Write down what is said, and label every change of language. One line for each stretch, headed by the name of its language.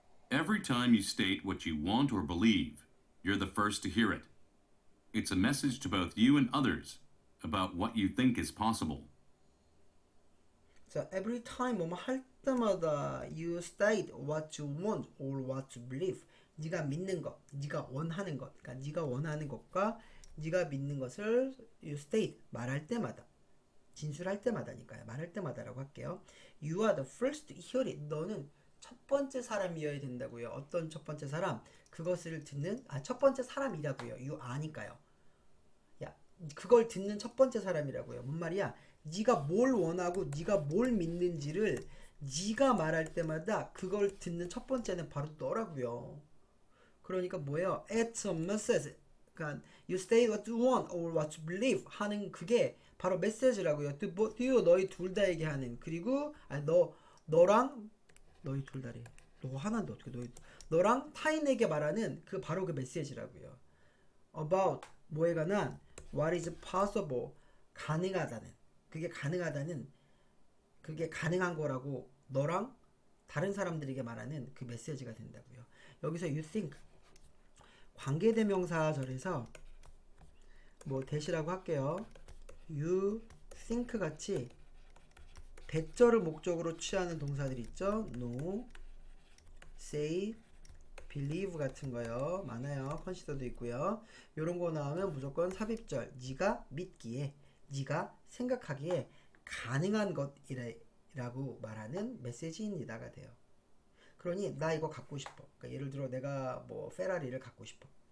English: Every time you state what you want or believe, you're the first to hear it. It's a message to both you and others about what you think is possible. So every time
Korean: 뭐할 때마다
English: you state what you want or what you believe.
Korean: 네가 믿는 것, 네가 원하는 것. 그러니까 네가 원하는 것과 네가 믿는 것을 you state 말할 때마다 진술할 때마다니까요. 말할 때마다라고 할게요.
English: You are the first to hear it.
Korean: 너는 첫 번째 사람이어야 된다고요. 어떤 첫 번째 사람? 그것을 듣는 첫 번째 사람이라고요. You are니까요. 야, 그걸 듣는 첫 번째 사람이라고요. 뭔 말이야? 네가 뭘 원하고 네가 뭘 믿는지를 네가 말할 때마다 그걸 듣는 첫 번째는 바로 너라고요. 그러니까 뭐예요?
English: It's a message. 그러니까 you say what you want or what you believe
Korean: 하는 그게 바로 메시지라고요. To both you, 너희 둘 다에게 하는. 그리고 아니, 너랑 너희 둘 다래. 너 하나인데 어떻게 너희 너랑 타인에게 말하는 그 바로 그 메시지라고요. About 뭐에 관한
English: what is possible
Korean: 가능하다는 그게 가능하다는 그게 가능한 거라고 너랑 다른 사람들에게 말하는 그 메시지가 된다고요. 여기서 you think 관계대명사절에서 뭐 대시라고 할게요. You think 같이 대절을 목적으로 취하는 동사들 있죠? No, say, believe 같은 거요. 많아요. consider도 있고요. 이런 거 나오면 무조건 삽입절. 네가 믿기에, 네가 생각하기에 가능한 것이라고 말하는 메시지입니다가 돼요. 그러니 나 이거 갖고 싶어. 그러니까 예를 들어 내가 뭐 페라리를 갖고 싶어.